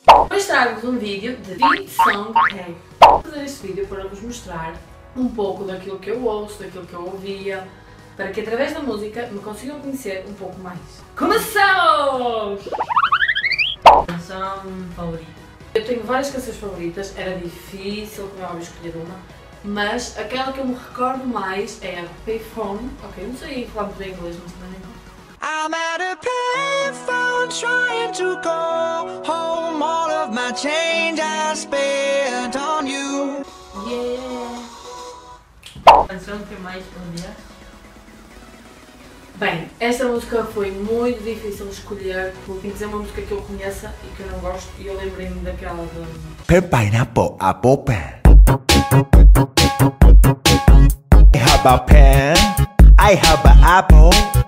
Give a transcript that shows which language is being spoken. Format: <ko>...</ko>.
<pt>Hoje trago-vos um vídeo de Vinte Song Gang. Vou fazer este vídeo para vos mostrar um pouco daquilo que eu ouço, daquilo que eu ouvia, para que através da música me consigam conhecer um pouco mais. Começamos! Canção favorita. Eu tenho várias canções favoritas, era difícil como eu escolher uma, mas aquela que eu me recordo mais é a Payphone. Ok, não sei falar muito bem inglês, mas também não.</pt> <en>I'm at a payphone trying to call home all of my change I spent on you. Yeah!</en> <pt>Canção que mais odia? Bem, esta música foi muito difícil de escolher, porque tem que ser uma música que eu conheça e que eu não gosto, e eu lembrei-me daquela de... Per pineapple a popa.</pt> <en>I have a pen, I have a apple.</en>